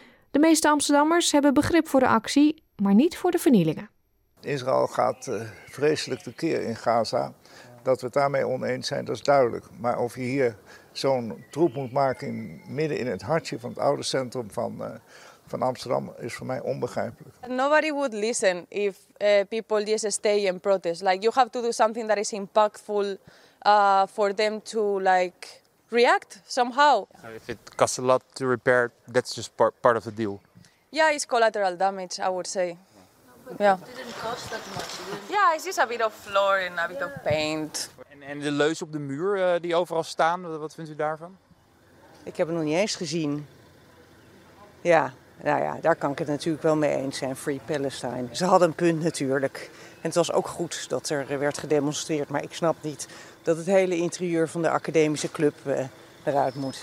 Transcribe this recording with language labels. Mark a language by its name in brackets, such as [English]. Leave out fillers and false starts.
[Dutch] De meeste Amsterdammers hebben begrip voor de actie, maar niet voor de vernielingen. Israël gaat vreselijk tekeer in Gaza. Dat we het daarmee oneens zijn, dat is duidelijk. Maar of je hier zo'n troep moet maken midden in het hartje van het oude centrum van Amsterdam is voor mij onbegrijpelijk. [English] Nobody would listen if people just stay and protest. Like you have to do something that is impactful for them to like react somehow. If it costs a lot to repair, that's just part of the deal. Yeah, it's collateral damage, I would say. Yeah. But it didn't cost that much. Yeah, it's just a bit of floor and a bit of paint. [Dutch] En de leus op de muur die overal staan, wat vindt u daarvan? Ik heb het nog niet eens gezien. Ja, nou ja, daar kan ik het natuurlijk wel mee eens zijn. [English] Free Palestine. [Dutch] Ze hadden een punt natuurlijk. En het was ook goed dat er werd gedemonstreerd. Maar ik snap niet dat het hele interieur van de academische club eruit moet.